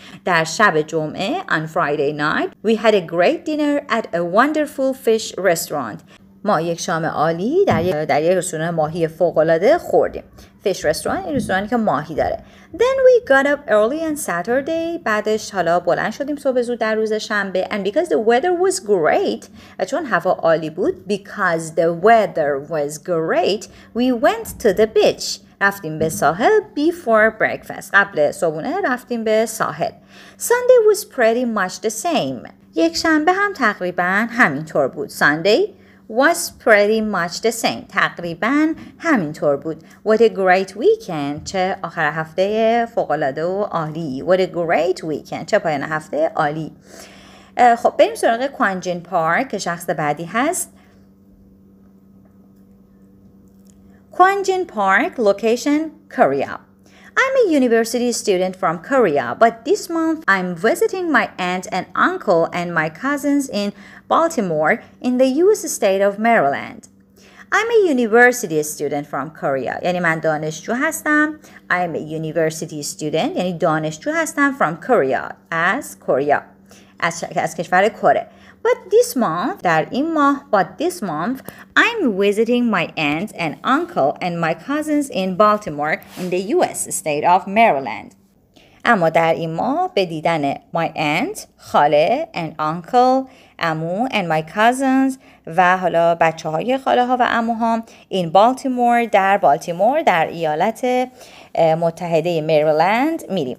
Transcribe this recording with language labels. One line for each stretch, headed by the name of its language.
Persian: در شب جمعه,
English: on Friday night, we had a great dinner at a wonderful fish restaurant.
Persian: ما یک شام عالی در یک رستوران ماهی فوق‌العاده خوردیم.
English: Fish restaurant,
Persian: این رستورانی که ماهی داره.
English: Then we got up early on Saturday.
Persian: بعدش حالا بلند شدیم صبح زود در روز شنبه.
English: And because the weather was great,
Persian: چون هوا عالی بود,
English: because the weather was great, we went to the beach.
Persian: رفتیم به ساحل
English: before breakfast.
Persian: قبل صبحونه رفتیم به ساحل.
English: Sunday was pretty much the same.
Persian: یک شنبه هم تقریبا همینطور بود.
English: Sunday was pretty much the same.
Persian: تقریباً همینطور بود.
English: What a great weekend.
Persian: چه آخر هفته فوق‌العاده و عالی.
English: What a great weekend.
Persian: چه پایان هفته عالی. خب بریم سراغ کوانجین پارک که شخص بعدی هست. کوانجین پارک لوکیشن کوریا.
English: I'm a university student from Korea, but this month I'm visiting my aunt and uncle and my cousins in Baltimore in the US state of Maryland. I'm a university student from Korea.
Persian: یعنی من دانشجو هستم.
English: I'm a university student.
Persian: یعنی دانشجو هستم
English: from Korea.
Persian: از کوریا. از کشور کره.
English: But this month,
Persian: در این ماه,
English: but this month, I'm visiting my aunt and uncle and my cousins in Baltimore in the US state of Maryland.
Persian: اما در این ماه به دیدن
English: my aunt,
Persian: خاله
English: and uncle,
Persian: عمو
English: and my cousins
Persian: و حالا بچه های خاله ها و عموها
English: in Baltimore,
Persian: در بالتیمور, در ایالت متحده Maryland میریم.